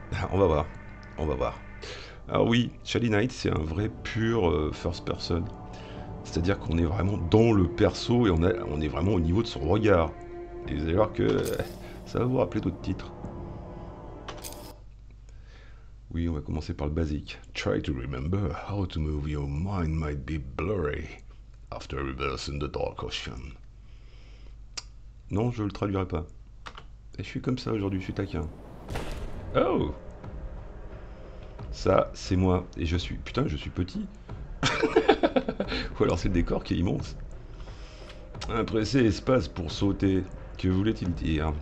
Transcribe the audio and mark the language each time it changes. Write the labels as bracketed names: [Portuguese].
[French] On va voir. Alors oui, Shady Knight, c'est un vrai pur first person. C'est-à-dire qu'on est vraiment dans le perso, et on est vraiment au niveau de son regard. Et vous allez voir que ça va vous rappeler d'autres titres. Oui, on va commencer par le basique. [English] Try to remember how to move your mind might be blurry after reversing the dark ocean. [French] Non, je le traduirai pas. Et je suis comme ça aujourd'hui, je suis taquin. Oh! Ça, c'est moi. Et je suis. Putain, je suis petit. Ou alors c'est le décor qui est immense. Un pressé espace pour sauter. Que voulait-il dire?